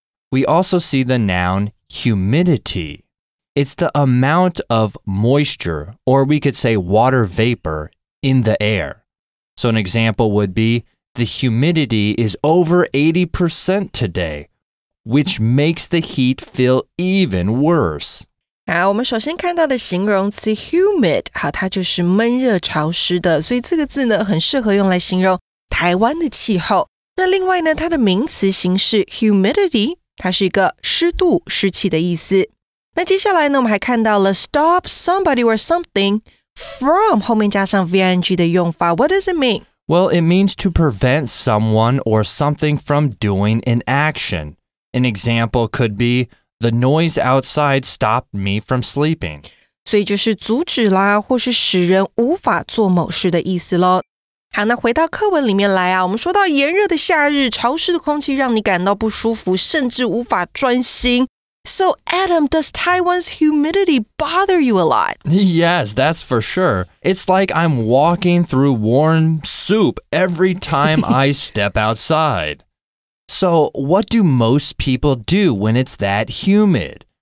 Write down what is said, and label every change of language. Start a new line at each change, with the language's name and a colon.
English: We also see the noun humidity. It's the amount of moisture, or we could say water vapor, in the air. So an example would be, the humidity is over 80% today, which makes the heat feel even worse.
Chinese: 好，我们首先看到的形容词 humid， 好，它就是闷热潮湿的，所以这个字呢很适合用来形容台湾的气候。那另外呢，它的名词形式 humidity， 它是一个湿度、湿气的意思。那接下来呢，我们还看到了
English: stop somebody or something from
Chinese: 后面加上 VNG 的用法。
English: What does it mean? Well, it means to prevent someone or something from doing an action. An example could be, the noise outside stopped me from sleeping.
Chinese: 所以就是阻止啦，或是使人无法做某事的意思咯。好，那回到课文里面来啊，我们说到炎热的夏日，潮湿的空气让你感到不舒服，甚至无法专心。
English: So Adam, does Taiwan's humidity bother you a lot? Yes, that's for sure. It's like I'm walking through warm soup every time I step outside. So, what do most people do when it's that humid?